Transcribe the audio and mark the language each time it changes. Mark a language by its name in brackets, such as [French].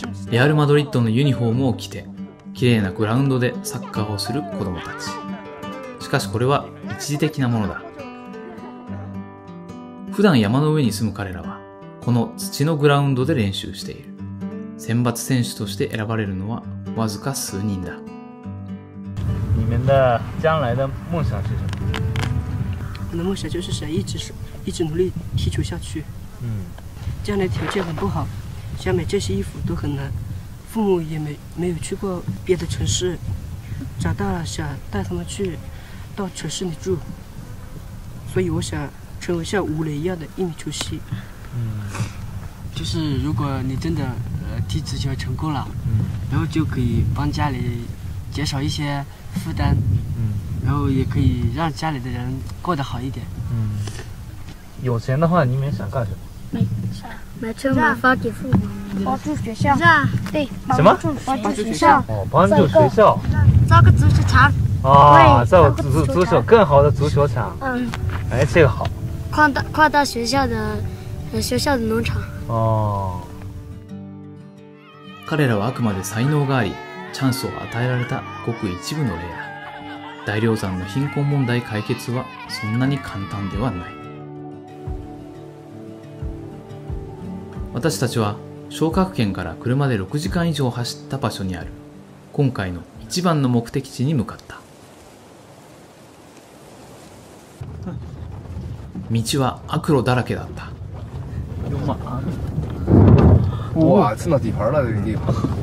[Japanese] レアルマドリッドのユニフォームを着て綺麗なグラウンドでサッカーをする子どもたち。しかしこれは一時的なものだ。普段山の上に住む彼らはこの土のグラウンドで練習している。選抜選手として選ばれるのはわずか数人だ。 [Chinese] 你们的将来的梦想是什么？我的梦想就是想一直努力踢球下去。嗯，将来条件很不好，想买这些衣服都很难，父母也没有去过别的城市，长大了想带他们去到城市里住，所以我想成为像吴磊一样的一名球星。嗯，就是如果你真的踢足球成功了、嗯、然后就可以帮家里减少一些负担。然后也可以让家里的人过得好一点。嗯，有钱的话你们想干什么？买车吗？发给父母，帮助学校。对，什么？帮助学校。哦，帮助学校。造个足球场。啊，造个足球更好的足球场。嗯。哎，这个好。扩大学校的学校的农场。哦。 [Japanese] 彼らはあくまで才能があり、チャンスを与えられたごく一部の例だ。大量山の貧困問題解決はそんなに簡単ではない。私たちは昇格圏から車で6時間以上走った場所にある今回の一番の目的地に向かった。道は悪路だらけだった。 [Chinese] うわー、真的地盤了、这个地方。